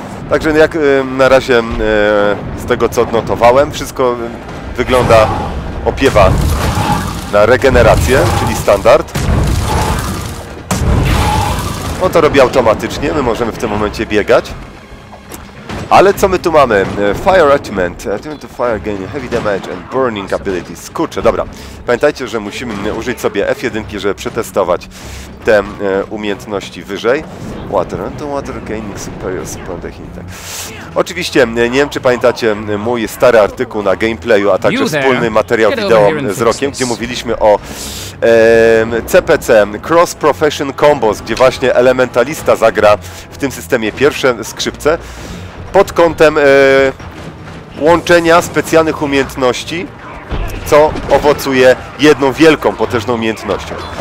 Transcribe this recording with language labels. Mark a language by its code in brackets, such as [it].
[pl] Także jak na razie z tego co odnotowałem, wszystko wygląda, opiewa na regenerację, czyli standard. On to robi automatycznie, my możemy w tym momencie biegać. Ale co my tu mamy? Fire Attunement. [en] Attunement to fire gain heavy damage and burning abilities. [pl] Kurczę, dobra. Pamiętajcie, że musimy użyć sobie F1, żeby przetestować te umiejętności wyżej. [en] Water and water gaining superior support technique. [pl] Oczywiście, nie wiem czy pamiętacie mój stary artykuł na gameplayu, a także wspólny materiał wideo z Rokiem, gdzie mówiliśmy o CPC, Cross Profession Combos, gdzie właśnie elementalista zagra w tym systemie pierwsze skrzypce pod kątem łączenia specjalnych umiejętności, co owocuje jedną wielką, potężną umiejętnością.